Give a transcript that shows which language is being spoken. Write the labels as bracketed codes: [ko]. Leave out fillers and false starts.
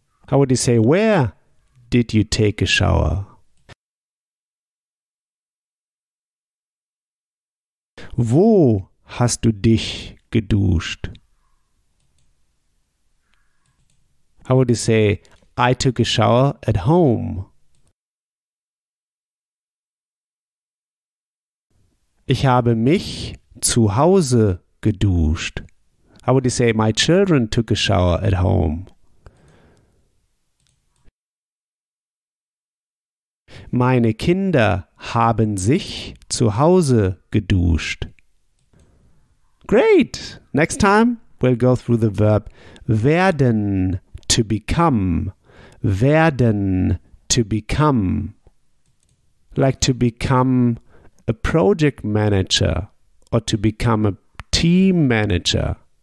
[en] How would you say, where did you take a shower? [de] Wo hast du dich geduscht? [en] How would you say, I took a shower at home? [de] Ich habe mich zu Hause geduscht. [en] How would you say, my children took a shower at home? [de] Meine Kinder haben sich zu Hause geduscht. [en] Great! Next time, we'll go through the verb werden, to become. Werden, to become. Like to become a project manager or to become a team manager.